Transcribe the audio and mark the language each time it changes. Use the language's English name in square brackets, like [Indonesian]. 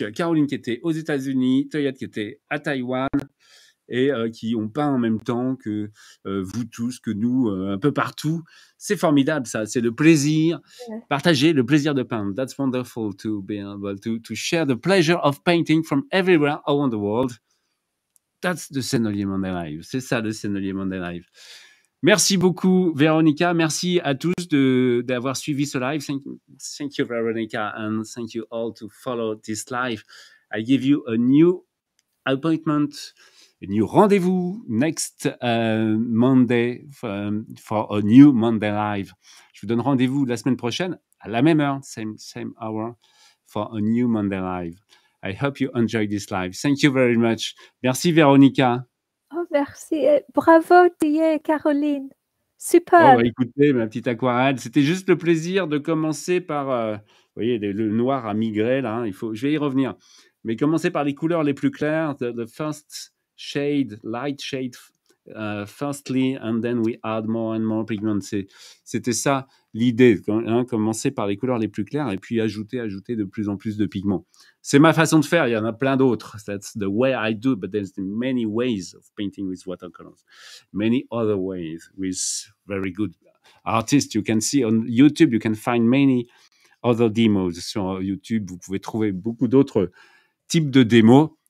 [French] Caroline qui était aux États-Unis, Toyette qui était à Taïwan et qui ont peint en même temps que vous tous, que nous, un peu partout. C'est formidable, ça. C'est le plaisir. Ouais. Partager le plaisir de peindre. [English] That's wonderful to be able to share the pleasure of painting from everywhere around the world. That's the Sennelier Monday Live. [French] C'est ça, le Sennelier Monday Live. Merci beaucoup, Véronica. Merci à tous d'avoir suivi ce live. [English] Thank you, Véronica. And thank you all to follow this live. I give you a new appointment. New rendezvous next Monday for a new Monday Live. [French] Je vous donne rendez-vous la semaine prochaine à la même heure, [English] same hour, for a new Monday Live. I hope you enjoy this live. Thank you very much. [French] Merci, Véronica. Oh, merci. Bravo, Thierry, Caroline. Super. Oh, écoutez, ma petite aquarelle, c'était juste le plaisir de commencer par... vous voyez, le noir a migré, là. Hein. Je vais y revenir. Mais commencer par les couleurs les plus claires, [English] the first... shade, light shade firstly, and then we add more and more pigments. [French] C'était ça l'idée, hein, commencer par les couleurs les plus claires et puis ajouter de plus en plus de pigments. C'est ma façon de faire, il y en a plein d'autres. [English] That's the way I do, but there's many ways of painting with watercolors. Many other ways with very good artists. You can see on YouTube, you can find many other demos. [French] Sur YouTube, vous pouvez trouver beaucoup d'autres types de démos.